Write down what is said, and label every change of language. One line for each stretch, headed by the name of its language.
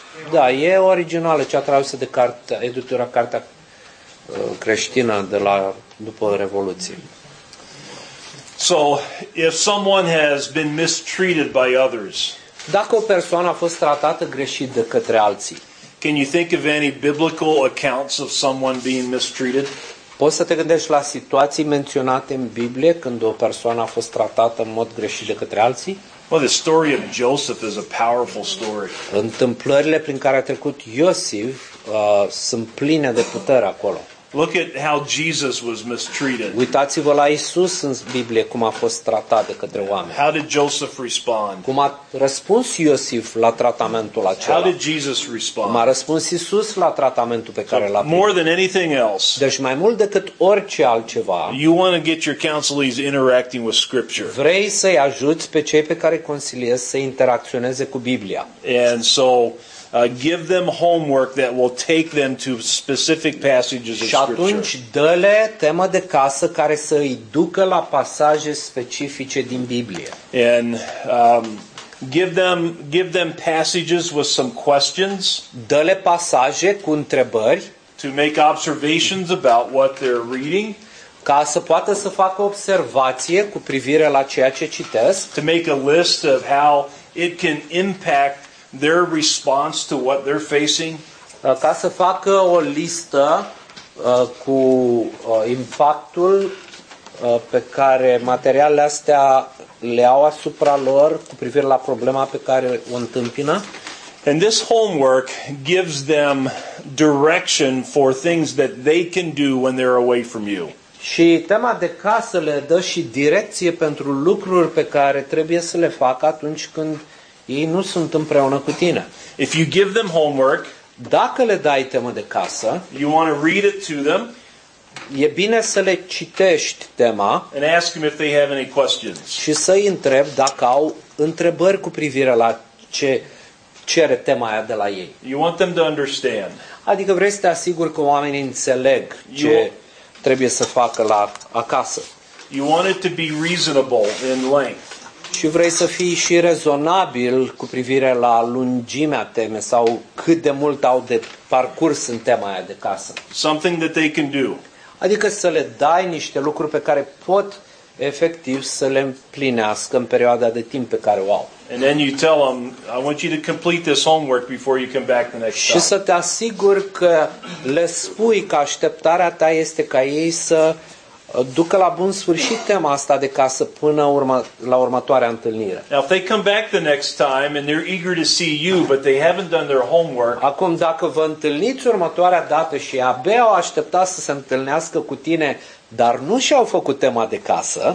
Romanian: Da, e originală, cea tradusă de carte, editura cartea creștină de la după revoluție.
English: So, if someone has been mistreated by others.
Romanian: Dacă o persoană a fost tratată greșit de către alții.
English: Can you think of any biblical accounts of someone being mistreated?
Romanian: Poți să te gândești la situații menționate în Biblie când o persoană a fost tratată în mod greșit de către alții?
English: Well, the story of Joseph is a powerful story.
Romanian: Întâmplările prin care a trecut Iosif sunt pline de putere acolo.
English: Look at how Jesus was mistreated.
Romanian: Uitați-vă la Isus în Biblie cum a fost tratat de către oameni.
English: How did Joseph respond?
Romanian: Cum a răspuns Iosif la tratamentul acela?
English: How did Jesus respond?
Romanian: Cum a răspuns Isus la tratamentul pe care l-a primit?
English: More than anything else.
Romanian: Deci mai mult decât orice altceva.
English: You want to get your counselees interacting with scripture.
Romanian: Vrei să-i ajuți pe cei pe care consiliezi să interacționeze cu Biblia.
English: And so give them homework that will take them to specific passages of scripture.
Romanian: Și atunci dă-le temă de casă care să îi ducă la pasaje specifice din Biblie.
English: And give them passages with some questions.
Romanian: Dă-le pasaje cu întrebări.
English: to make observations about what they're reading,
Romanian: ca să poată să facă observație cu privire la ceea ce citesc,
English: to make a list of how it can impact their response to what they're facing,
Romanian: ca să facă o listă cu impactul pe care materialele astea le au asupra lor cu privire la problema pe care o întâmpină.
English: And this homework gives them direction for things that they can do when they're away from you.
Romanian: Și tema de casă le dă și direcție pentru lucruri pe care trebuie să le facă atunci când ei nu sunt împreună cu tine.
English: If you give them homework,
Romanian: dacă le dai temă de casă,
English: you want to read it to them.
Romanian: E bine să le citești tema.
English: And ask them if they have any questions.
Romanian: Și să-i întreb dacă au întrebări cu privire la ce cere tema aia de la ei.
English: You want them to understand.
Romanian: Adică vrei să te asiguri că oamenii înțeleg ce trebuie să facă la acasă.
English: You want it to be reasonable in length.
Romanian: Și vrei să fii și rezonabil cu privire la lungimea teme sau cât de mult au de parcurs în tema aia de casă.
English: Something that they can do.
Romanian: Adică să le dai niște lucruri pe care pot efectiv să le împlinească în perioada de timp pe care o au.
English: And then you tell them, I want you to complete this homework before you come back the next time.
Romanian: Și să te asiguri că le spui că așteptarea ta este ca ei să ducă la bun sfârșit tema asta de casă până la următoarea întâlnire.
English: Now if they come back the next time and they're eager to see you but they haven't done their homework.
Romanian: Acum dacă vă întâlniți următoarea dată și abia au așteptat să se întâlnească cu tine, dar nu și-au făcut tema de casă.